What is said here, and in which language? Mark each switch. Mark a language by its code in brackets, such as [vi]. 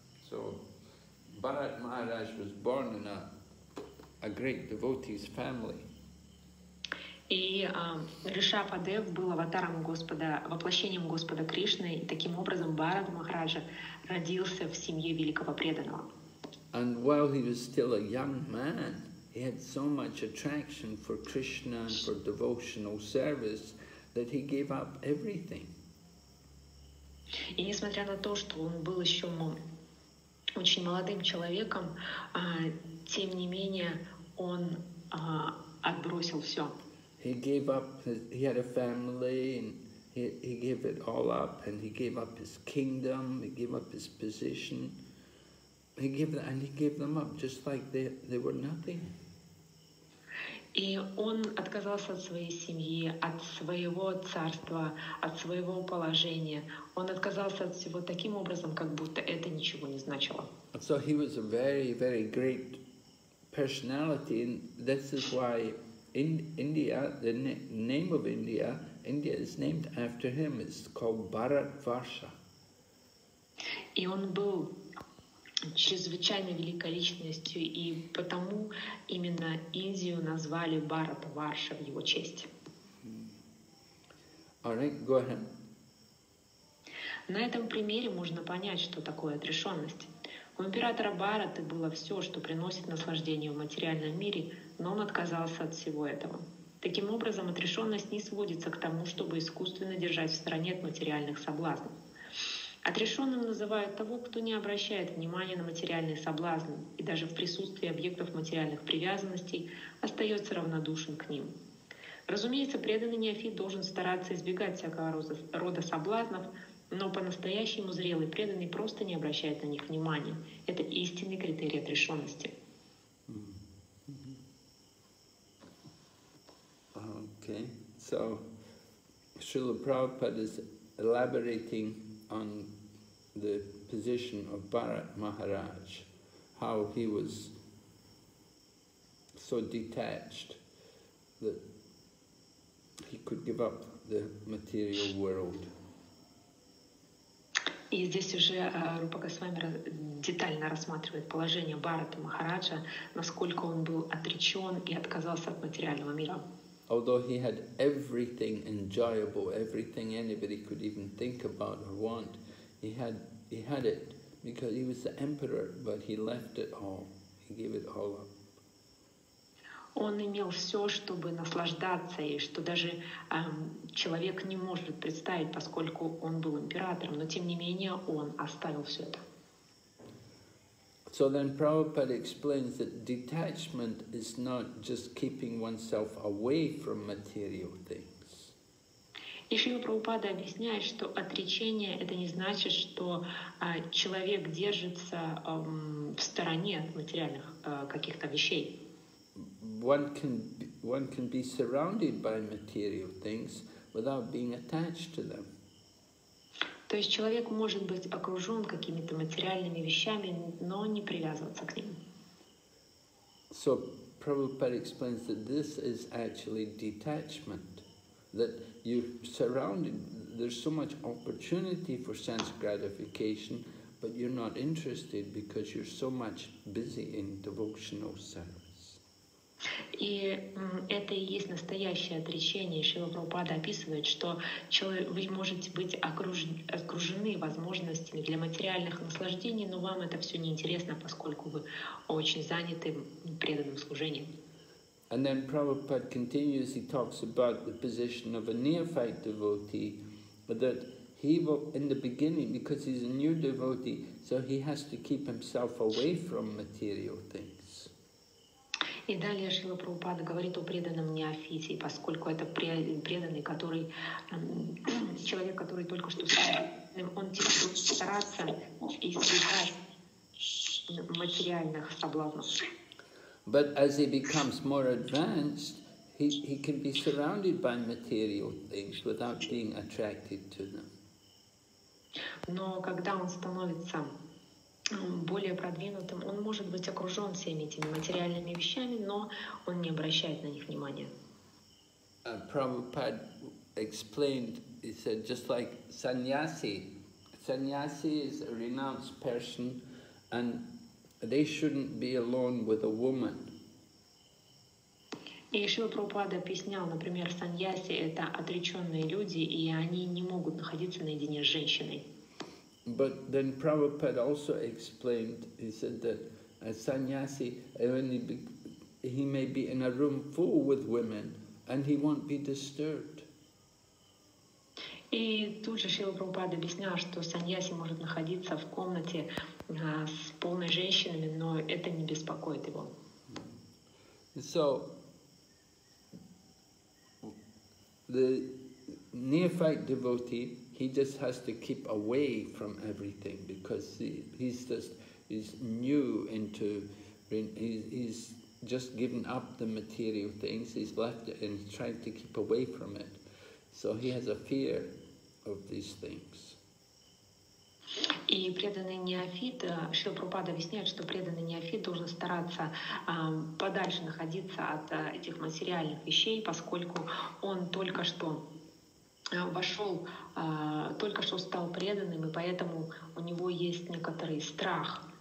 [en] So Bharat Maharaj was born in a great devotee's family. [ru] И Ришабхадев был аватаром Господа, воплощением Господа Кришны, и таким образом Бхарат Махараджа родился в семье великого преданного. [en] And while he was still a young man, he had so much attraction for Krishna and for devotional service that he gave up everything. [ru] И несмотря на то, что он был еще очень молодым человеком, тем не менее он отбросил все. [en] He gave up his, he had a family, and he gave it all up, and he gave up his kingdom, he gave up his position, he gave them up just like they were nothing. [ru] И он отказался от своей семьи, от своего царства, от своего положения. Он отказался от всего таким образом, как будто это ничего не значило. [en] So he was a very, very great personality, and this is why in India, the name of India, India is named after him. It's called Bharatvarsha. [ru] И он был чрезвычайно великой личностью, и потому именно Индию назвали Бхарат Варша в его честь. [en] All right, go ahead. [ru] На этом примере можно понять, что такое отрешенность. У императора Бхараты было все, что приносит наслаждение в материальном мире, но он отказался от всего этого. Таким образом, отрешенность не сводится к тому, чтобы искусственно держать в стороне от материальных соблазнов. Отрешенным называют того, кто не обращает внимания на материальные соблазны и даже в присутствии объектов материальных привязанностей остается равнодушен к ним. Разумеется, преданный неофит должен стараться избегать всякого рода соблазнов, но по-настоящему зрелый преданный просто не обращает на них внимания. Это истинный критерий отрешенности. [en] Okay. So, Srila Prabhupada is elaborating on the position of Bharat Maharaj, how he was so detached that he could give up the material world. [ru] И здесь уже Рупа Госвами детально рассматривает положение Бхарата Махараджа, насколько он был отречен и отказался от материального мира. [en] Although he had everything enjoyable, everything anybody could even think about or want, he had it because he was the emperor, but he left it all. He gave it all up. [ru] Он имел все, чтобы наслаждаться, и что даже человек не может представить, поскольку он был императором, но тем не менее он оставил все это. [en] So then Prabhupada explains that detachment is not just keeping oneself away from material things. [ru] И Шрила Прабхупада объясняет, что отречение — это не значит, что человек держится в стороне от материальных каких-то вещей. [en] One can be surrounded by material things without being attached to them. [ru] То есть человек может быть окружен какими-то материальными вещами, но не привязываться к ним. [en] So Prabhupada explains that this is actually detachment, that you're surrounded, there's so much opportunity for sense gratification, but you're not interested because you're so much busy in devotional service. [ru] И это и есть настоящее отречение. Шрила Прабхупада описывает, что вы можете быть окружены возможностями для материальных наслаждений, но вам это все неинтересно, поскольку вы очень заняты преданным служением. [en] And then Prabhupada continues, he talks about the position of a neophyte devotee, that he will, in the beginning, because he's a new devotee, so he has to keep himself away from material things. [ru] И далее Шрила Прабхупада говорит о преданном неофите, поскольку это преданный, который, человек, который только что стал, он будет стараться избегать материальных соблазнов. [en] But as he becomes more advanced, he can be surrounded by material things without being attracted to them. [ru] Но когда он становится более продвинутым, он может быть окружен всеми этими материальными вещами, но он не обращает на них внимания. [en] Prabhupada explained, he said, just like sannyasi is a renounced person, and they shouldn't be alone with a woman. [ru] И Шрила Прабхупада объяснял, например, саньяси — это отреченные люди, и они не могут находиться наедине с женщиной. [en] But then Prabhupada also explained, he said that a sannyasi, he may be in a room full with women, and he won't be disturbed. [ru] И тут же Шрила Прабхупада объяснял, что саньяси может находиться в комнате с полной женщинами, но это не беспокоит его. [en] So, the neophyte devotee, he just has to keep away from everything because he's just given up the material things, he's left it and he's trying to keep away from it. So he has a fear of these things. [ru] И преданный неофит, Шрила Прабхупада объясняет, что преданный неофит должен стараться подальше находиться от этих материальных вещей, поскольку он только что вошел, только что стал преданным, и поэтому у него есть некоторый страх.